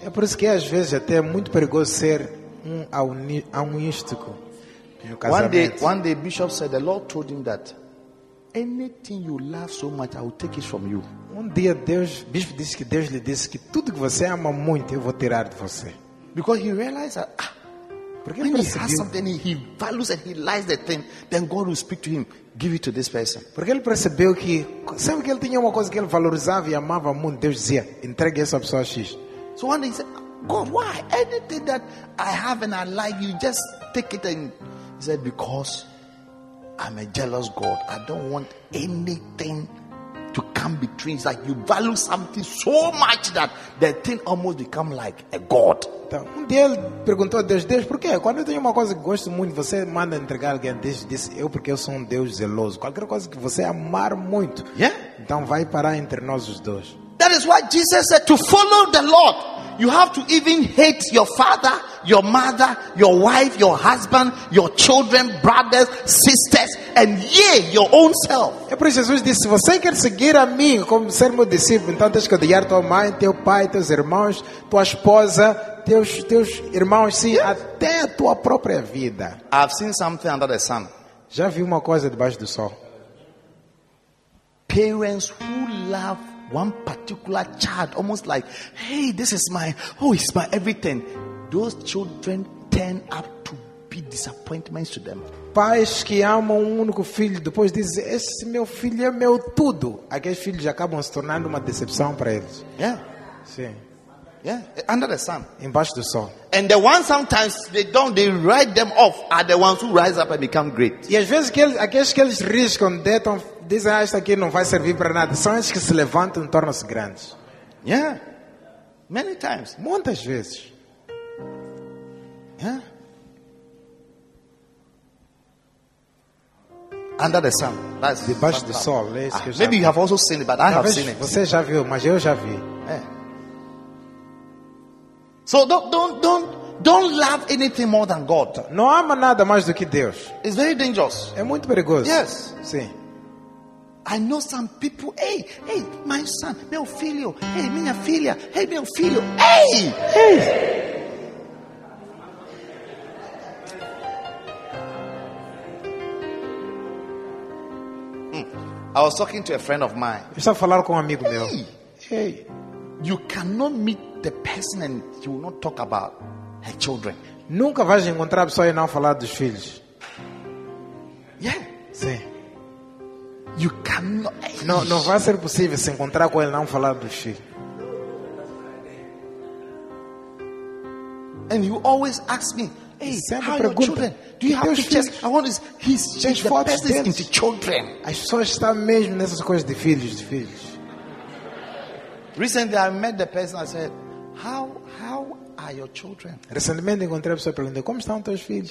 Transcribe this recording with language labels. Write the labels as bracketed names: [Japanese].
[Portuguese] É por isso que às vezes até é muito perigoso ser um awanístico em um casamento. [English] One day Bishop said the Lord told him that anything you love so much, I will take it from you. [Portuguese] Um dia Deus, bispo disse que Deus lhe disse que tudo que você ama muito eu vou tirar de você. [English] Because he realized that [Portuguese] porque [English] when he has something he values and he likes the thing, then God will speak to him, give it to this person. [Portuguese] Porque ele percebeu que sempre que ele tinha uma coisa que ele valorizava e amava muito, Deus dizia, entregue essa pessoa X. [English] So one day he said, God, why? Anything that I have and I like, you just take it. And he said, because I'm a jealous God. I don't want anything to come between. It's like you value something so much that the thing almost become like a God. [Portuguese] Então, um dia ele perguntou a Deus, Deus, por quê? Quando eu tenho uma coisa que gosto muito, você manda entregar alguém. Deus disse, eu porque eu sou um Deus zeloso. Qualquer coisa que você amar muito. [English] Yeah? [Portuguese] Então vai parar entre nós os dois. [English] That is why Jesus said, to follow the Lord, you have to even hate your father, your mother, your wife, your husband, your children, brothers, sisters, and yea, your own self. [Portuguese] É por isso que Jesus disse, se você quer seguir a mim como ser meu discípulo, então tens que odiar tua mãe, teu pai, teus irmãos, tua esposa, teus irmãos, sim, yes, até a tua própria vida. [English] I've seen something under the sun. [Portuguese] Já vi uma coisa debaixo do sol. [English] Parents who love one particular child, almost like, hey, this is my, oh, it's my everything. Those children turn up to be disappointments to them. [Portuguese] Pais que amam um único filho, depois dizem, esse meu filho é meu tudo. Aqueles filhos acabam se tornando uma decepção para eles. [English] Yeah. [Portuguese] Sim. [English] Yeah, under the sun. [Portuguese] Embaixo do sol. [English] And the ones sometimes they write them off are the ones who rise up and become great. [Portuguese] E às vezes aqueles que eles riscam, deitam, dizem, ah, isto aqui não vai servir para nada. São esses que se levantam e tornam-se grandes. [English] Yeah. Many times. [Portuguese] Muitas vezes. [English] Yeah. Under the sun. That's [Portuguese] debaixo do sol. É isso que [English] maybe you have also seen it, but I have seen it. [Portuguese] Você já viu, mas eu já vi. [English] É. So don't Don't love anything more than God. [Portuguese] Não ama nada mais do que Deus. [English] It's very dangerous. [Portuguese] É muito perigoso. [English] Yes. [Portuguese] Sim. [English] I know some people. Hey, my son, meu filho. Hey, minha filha. Hey, meu filho. Hey. I was talking to a friend of mine. [Portuguese] Eu estava falando com um amigo meu. [English] Hey, you cannot meet the person and you will not talk about her children. [Portuguese] Nunca vais encontrar a pessoa e não falar dos filhos. [English] Yeah. [Portuguese] Sim. [English] You cannot. Hey. [Portuguese] Não vai ser possível se encontrar com ele e não falar dos filhos. [English] And you always ask me, hey, how are your children? Do you have pictures? I want to see. He's changed the past into children. [Portuguese] As pessoas estão mesmo nessas coisas de filhos, de filhos. [English] Recently, I met the person. I said, how are your children? [Portuguese] Recentemente, encontrei a pessoa e perguntei, como estão teus filhos?